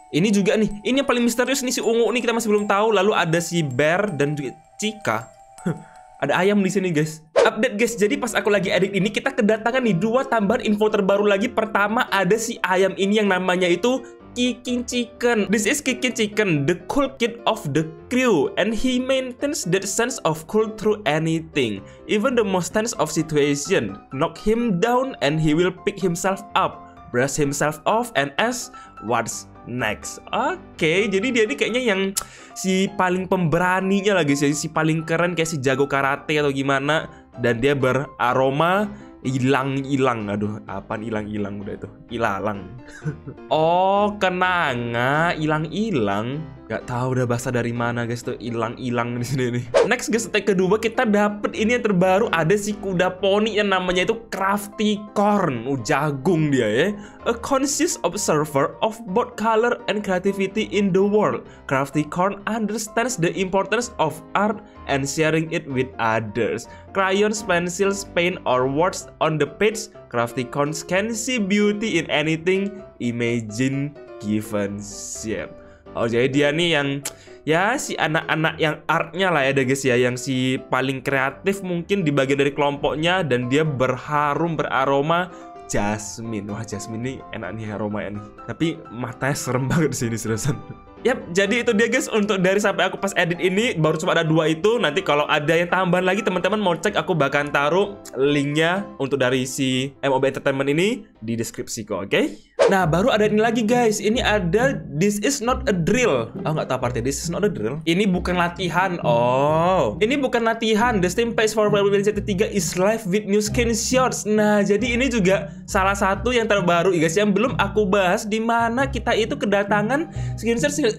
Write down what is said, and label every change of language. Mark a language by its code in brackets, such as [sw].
[id] Ini juga nih, ini yang paling misterius nih, si ungu nih kita masih belum tahu. Lalu ada si bear dan juga cika. Ada ayam di sini guys. Update guys, jadi pas aku lagi edit ini, kita kedatangan nih dua tambahan info terbaru lagi. Pertama, ada si ayam ini yang namanya itu Kicking Chicken. [en] This is Kicking Chicken, the cool kid of the crew, and he maintains that sense of cool through anything, even the most tense of situation. Knock him down and he will pick himself up, brush himself off and ask what's next. [id] Okay, jadi dia ini kayaknya yang si paling pemberaninya lagi sih, si paling keren, kayak si jago karate atau gimana. Dan dia beraroma ilang-ilang, aduh, apaan ilang-ilang udah itu, ilalang. Oh, kenanga, ilang-ilang, gak tahu udah bahasa dari mana guys tuh, ilang-ilang di sini nih. Next guys, take kedua kita dapet ini yang terbaru, ada si kuda poni yang namanya itu Crafty Corn, jagung dia ya. [en] A conscious observer of both color and creativity in the world, Crafty Corn understands the importance of art and sharing it with others. Crayons, pencils, paint, or words on the page, Crafty Corn can see beauty in anything imagine given shape. [id] Oh, jadi dia nih yang ya si anak-anak yang artnya lah ya deh guys ya, yang si paling kreatif mungkin di bagian dari kelompoknya, dan dia berharum beraroma jasmine. Wah, jasmine nih enak nih aromanya nih. Tapi matanya serem banget di sini seriusan. Yap, jadi itu dia guys untuk dari sampai aku pas edit ini baru cuma ada dua itu. Nanti kalau ada yang tambahan lagi teman-teman mau cek, aku bakalan taruh linknya untuk dari si MOB Entertainment ini di deskripsi kok, oke? Okay? Nah, baru ada ini lagi guys. Ini ada [en] this is not a drill. [id] Oh, nggak tahu partnya [en] this is not a drill. [id] Ini bukan latihan. Oh, ini bukan latihan. [en] The Steam Page for Marvel Legends 3 is live with new skin shorts. [id] Nah, jadi ini juga salah satu yang terbaru guys yang belum aku bahas, di mana kita itu kedatangan skin shorts.